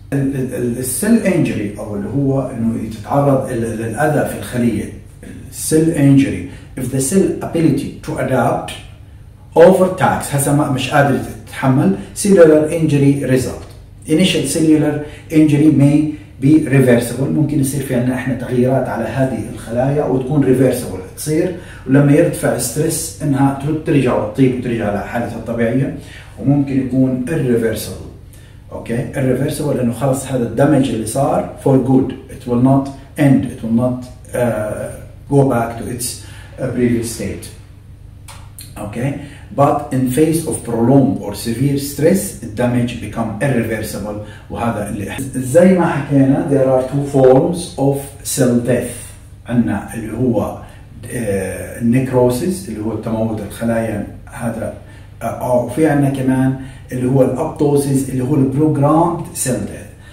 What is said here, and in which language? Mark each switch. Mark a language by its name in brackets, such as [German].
[English] السيل انجري [Arabic] او اللي هو انه يتعرض للاذى في الخليه، السيل انجري [English] if the cell ability to adapt over tax [Arabic] هسه ما مش قادر تتحمل [English] cellular injury result. Initial cellular injury may be reversible، [Arabic] ممكن يصير في عندنا احنا تغييرات على هذه الخلايا وتكون reversible تصير، ولما يرتفع ستريس انها ترجع وتطيب وترجع لحالتها الطبيعيه، وممكن يكون irreversible. [English] okay, irreversible [Arabic] لانه خلص هذا الدمج اللي صار [English] for good، it will not end, it will not go back to its previous state. Okay, but in face of prolonged or severe stress, the damage become irreversible. [Arabic] وهذا اللي زي ما حكينا [English] there are two forms of cell death. [Arabic] عنا اللي هو necrosis اللي هو تموت الخلايا هذا، وفي عنا كمان اللي هو apoptosis اللي هو [English] programmed cell death.